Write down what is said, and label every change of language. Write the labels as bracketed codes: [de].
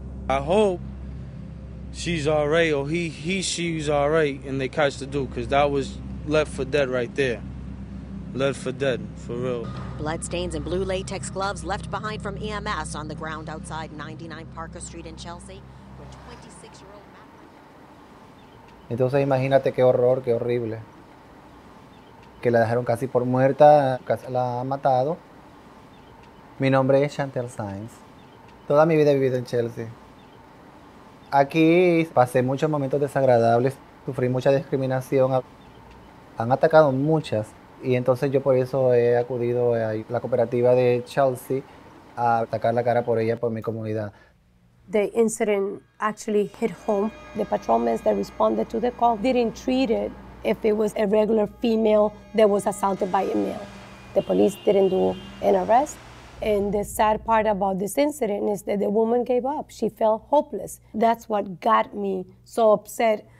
[en] I hope she's all right, or she's all right, and they catch the dude, because that was left for dead right there. Left for dead, for real. Blood stains and blue latex gloves left behind from EMS on the ground outside 99 Parker Street in Chelsea, where 26-year-old Matt. [es] Entonces imagínate qué horror, qué horrible. Que la dejaron casi por muerta, casi la ha matado. Mi nombre es Shanthell Saenz. Toda mi vida he vivido en Chelsea. Aquí pasé muchos momentos desagradables, sufrí mucha discriminación. Han atacado muchas. Y entonces yo por eso he acudido a la cooperativa de Chelsea a atacar la cara por ella, por mi comunidad. [en] The incident actually hit home. The patrolmen that responded to the call didn't treat it if it was a regular female that was assaulted by a male. The police didn't do an arrest. And the sad part about this incident is that the woman gave up. She felt hopeless. That's what got me so upset.